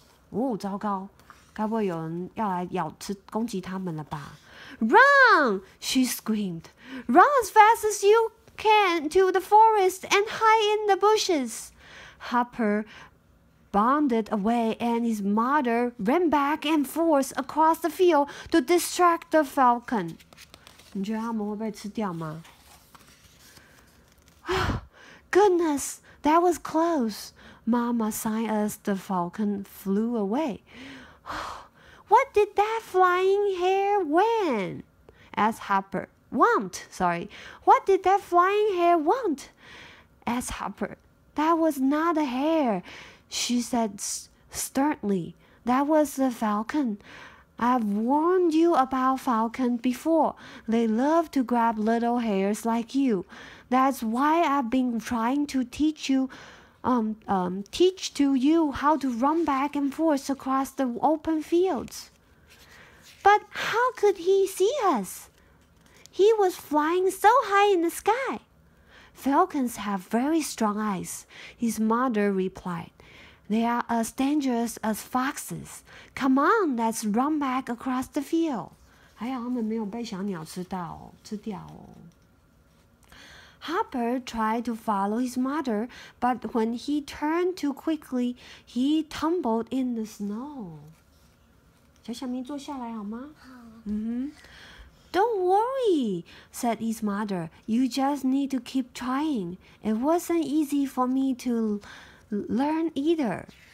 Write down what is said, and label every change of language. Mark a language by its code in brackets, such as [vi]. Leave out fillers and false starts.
[zh] 哦，糟糕，该不会有人要来咬吃攻击他们了吧？ [en] Run! She screamed. Run as fast as you can. Can to the forest and hide in the bushes. Hopper bounded away and his mother ran back and forth across the field to distract the falcon. [zh] 你觉得他们会被吃掉吗？ [en] Goodness, that was close. Mama sighed as the falcon flew away. What did that flying hare want? Asked Hopper. Want, sorry. What did that flying hare want? Asked Hopper. That was not a hare, she said sternly. That was a falcon. I've warned you about falcons before. They love to grab little hares like you. That's why I've been trying to teach you, teach to you how to run back and forth across the open fields. But how could he see us? He was flying so high in the sky. Falcons have very strong eyes, his mother replied. They are as dangerous as foxes. Come on, let's run back across the field. [zh] 还好他们没有被小鸟吃到哦，吃掉哦。 [en] Hopper tried to follow his mother, but when he turned too quickly, he tumbled in the snow. [zh] 小小咪坐下来好吗？好。 [en] Mm-hmm. Don't worry, said his mother. You just need to keep trying. It wasn't easy for me to learn either.